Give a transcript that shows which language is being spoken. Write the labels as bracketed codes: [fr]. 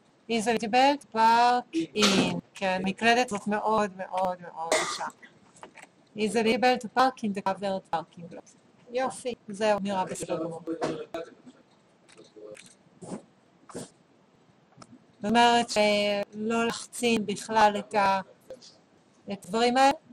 [en] Is eligible to park in. [he] כן, מקלדת זאת מאוד מאוד מאוד קשה. [en] Is eligible to park in the covered parking lot. [he] יופי, זהו, נראה בסדר. זאת אומרת שלא לחצים בכלל את הדברים האלה.